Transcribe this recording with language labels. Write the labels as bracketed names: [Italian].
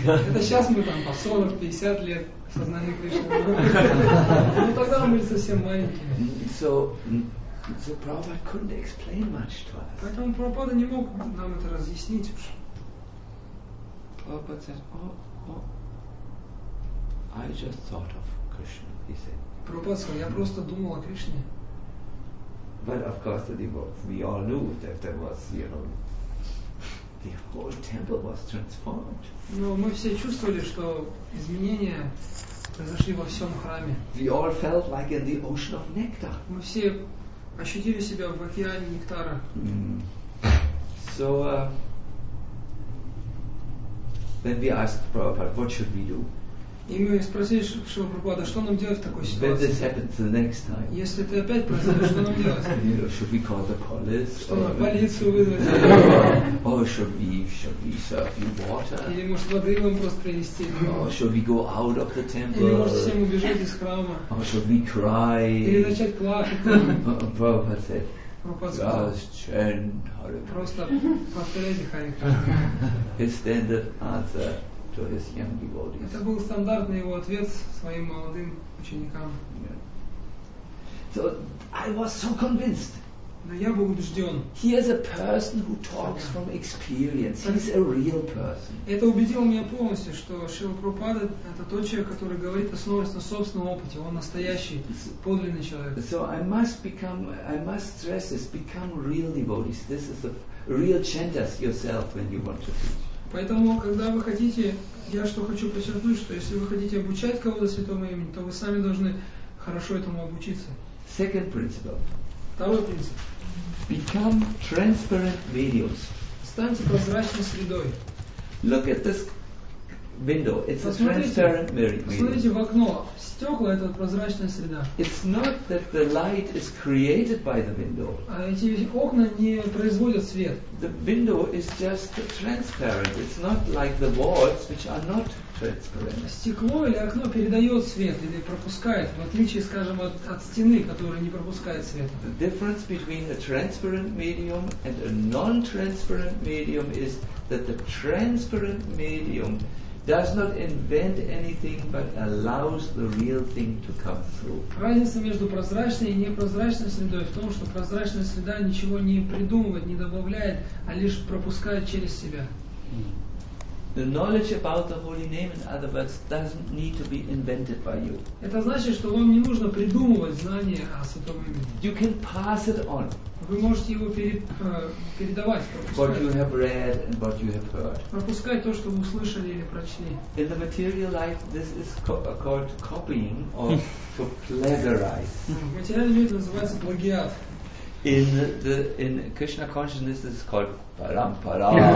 [Russian] Это сейчас мы там по 40-50 лет сознание Кришны. Ну тогда мы были совсем маленькими. [English] So Prabhupada couldn't explain much to us. [Russian] Поэтому Прабхупада не мог нам это разъяснить уж. [English] Prabhupada said, I just thought of Krishna, he said. [Russian] Прабхупада сказал, я просто думал о Кришне. [English] But of course the devotees, we all knew that there was, you know, the whole temple was transformed. [Russian] Но мы все чувствовали, что изменения произошли во всем храме. [English] We all felt like in the ocean of nectar. [Russian] Мы все ощутили себя в океане нектара. [English] So then we asked Prabhupada, what should we do? [Russian] И мы спросили Шрилу Прабхупада, что нам делать в такой ситуации? [English] This happens the next time. [Russian] Если это опять произойдет, что нам делать? [English] You know, should we call the police? [Russian] Что нам полицию вызвать? [English] Or should we serve you water? [Russian] Или может воды вам просто принести? [English] Or should we go out of the temple? [Russian] Или может всем убежать из храма? [English] Or should we cry? [Russian] Или начать плакать? [English] Prabhupada said, just chant Hare Krishna. [Russian] Просто повторяйте Харе Кришна. [English] His standard answer. To his young devotees. [Russian] Это был стандартный его ответ своим молодым ученикам. [English] So I was so convinced. [Russian] Но я был убежден. [English] He is a person who talks from experience. He is a real person. [Russian] Это убедило меня полностью, что Шрила Прабхупада это тот человек, который говорит, основываясь на собственном опыте. Он настоящий, подлинный человек. [English] So I must stress this. Become real devotees. This is the real chanters yourself when you want to teach. [Russian] Поэтому, когда вы хотите, я что хочу подчеркнуть, что если вы хотите обучать кого-то святому имени, то вы сами должны хорошо этому обучиться. [English] Second principle. [Russian] Второй принцип. [English] Become transparent mediums. [Russian] Станьте прозрачной средой. [English] Look at this window. It's a transparent medium. [Russian] Посмотрите в окно. Стекла — это прозрачная среда. [English] It's not that the light is created by the window. [Russian] А эти окна не производят свет. [English] The window is just transparent. It's not like the walls, which are not transparent. [Russian] Стекло или окно передает свет или пропускает, в отличие, скажем, от стены, которая не пропускает свет. [English] The difference between a transparent medium and a non-transparent medium is that the transparent medium does not invent anything, but allows the real thing to come through. [Russian] Разница между прозрачной и непрозрачной средой в том, что прозрачная среда ничего не придумывает, не добавляет, а лишь пропускает через себя. [English] The knowledge about the holy name, in other words, doesn't need to be invented by you. [Russian] Это значит, что вам не нужно придумывать знания о святом имени. [English] You can pass it on. [Russian] Вы можете его передавать, пропускать. [English] What you have read and what you have heard. [Russian] Пропускать то, что вы услышали или прочли. [English] In the material life, this is called copying or to plagiarize. [Russian] В материальном мире это называется плагиат. [English] In Krishna consciousness, this is called parampara.